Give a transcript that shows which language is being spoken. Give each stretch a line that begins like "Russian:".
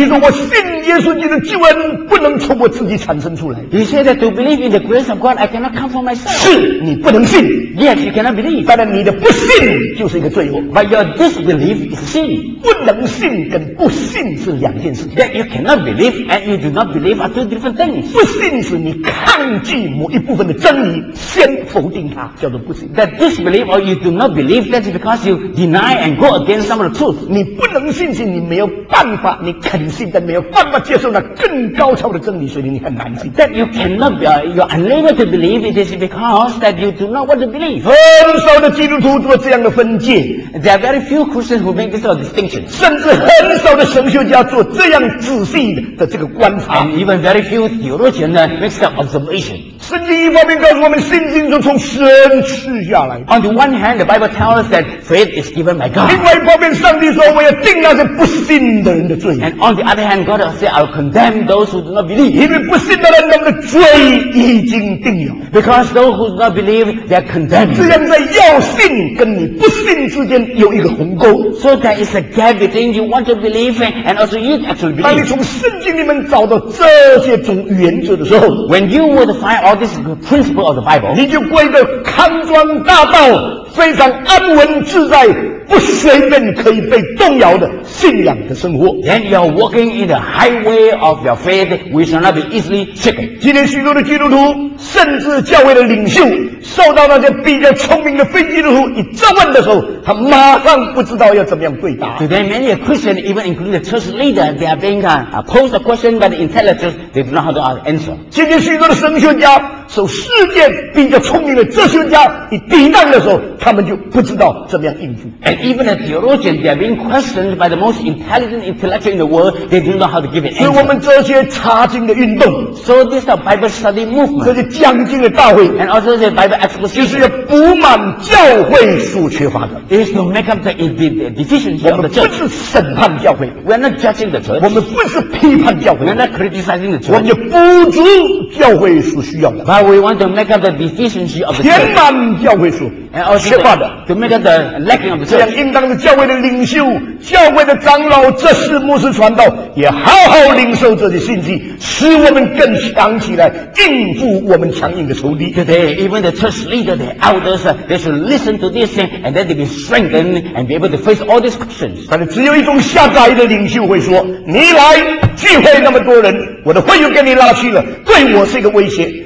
Chinese: 你说我信耶稣基督的救恩不能从我自己产生出来。
English: He said that to believe in the grace of God, I cannot come from myself。
Chinese: 是你不能信。
English: Yes, you cannot believe。
Chinese: 但是你的不信就是一个罪恶。
English: But your disbelief is sin。
Chinese: 不能信跟不信是两件事情。
English: That you cannot believe and you do not believe are two different things。
Chinese: 不信是你抗拒某一部分的真理，先否定它，叫做不信。
English: That disbelief or you do not believe, that is because you deny and go against some of the truth。
Chinese: 你不能信是你没有办法，你肯信但没有办法接受那更高超的真理，所以你很难信。
English: That you cannot be, you're unable to believe, it is because that you do not want to believe。
Chinese: 很少的基督徒做这样的分界。
English: There are very few Christians who make this sort of distinction。
Chinese: 甚至很少的神学家做这样仔细的这个观察。
English: And even very few theologians make that observation。
Chinese: 圣经一方面告诉我们信心是从神赐下来的。
English: On the one hand, the Bible tells us that faith is given by God。
Chinese: 另外一方面，上帝说我要定那些不信的人的罪。
English: And on the other hand, God says I'll condemn those who do not believe。
Chinese: 因为不信的人，他们的罪已经定了。
English: Because those who do not believe, they're condemned。
Chinese: 这样在要信跟你不信之间有一个鸿沟。
English: So there is a gap between you want to believe and also you actually believe。
Chinese: 当你从圣经里面找到这些种原则的时候
English: ，When you would find all this is the principle of the Bible，
Chinese: 你就过一个康庄大道、非常安稳自在、不随便可以被动摇的信仰的生活。
English: Then you are walking in the highway of your faith, which will not be easily shaken。
Chinese: 今天许多的基督徒，甚至教会的领袖，受到那些比较聪明的非基督徒一质问的时候，他马上不知道要怎么样回答。
English: Today, many Christians, even including the church leader, they are being posed a question by the intelligence, they do not know how to answer。
Chinese: 今天许多的神学家，受世界比较聪明的哲学家一抵挡的时候，他们就不知道怎么样应付。
English: And even a theologian, they are being questioned by the most intelligent intellectual in the world, they do not know how to give an answer。
Chinese: 所以我们这些查经的运动
English: ，So this is a Bible study movement。
Chinese: 这些讲经的大会
English: ，And also this Bible exposition。
Chinese: 就是要补满教会所缺乏的。
English: Is to make up the deficiency of the church。
Chinese: 我们不是审判教会
English: ，We are not judging the church。
Chinese: 我们不是批判教会
English: ，We are not criticizing the church。
Chinese: 我们要补足教会所需要的。
English: But we want to make up the deficiency of the church。
Chinese: 填满教会所。
English: And also to make up the lacking of the church。
Chinese: 这样应当的教会的领袖、教会的长老、执事、牧师、传道也好好领受这些信息，使我们更强起来，应付我们强硬的仇敌。
English: Today, even the church leader, the elders, they should listen to this thing, and then they be strengthened and be able to face all these questions。
Chinese: 但是只有一种下载的领袖会说：“你来聚会那么多人，我的会又给你拉去了，对我是一个威胁。”